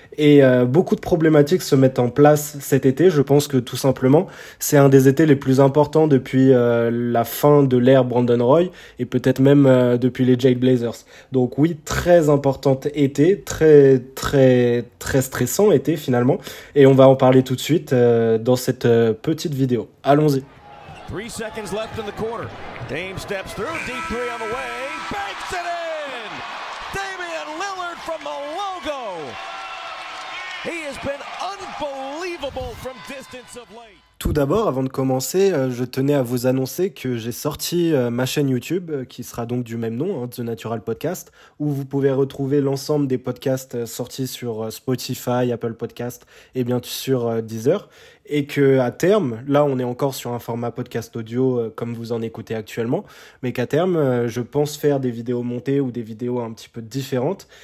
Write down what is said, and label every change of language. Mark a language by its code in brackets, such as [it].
[fr] Et beaucoup de problématiques se mettent en place cet été, je pense que tout simplement c'est un des étés les plus importants depuis la fin de l'ère Brandon Roy et peut-être même depuis les Jade Blazers. Donc oui, très importante été, très très très stressant été finalement, et on va en parler tout de suite dans cette petite vidéo. Allons-y. [en] 3 seconds left in the quarter. Dame steps through, deep three on the way, banks it in! Damian Lillard from the logo! He has been unbelievable from distance of late. [fr] Tout d'abord, avant de commencer, je tenais à vous annoncer que j'ai sorti ma chaîne YouTube, qui sera donc du même nom, The Natural Podcast, où vous pouvez retrouver l'ensemble des podcasts sortis sur Spotify, Apple Podcasts et bien sûr Deezer. Et que à terme, là on est encore sur un format podcast audio comme vous en écoutez actuellement, mais qu'à terme, je pense faire des vidéos montées ou des vidéos un petit peu différentes.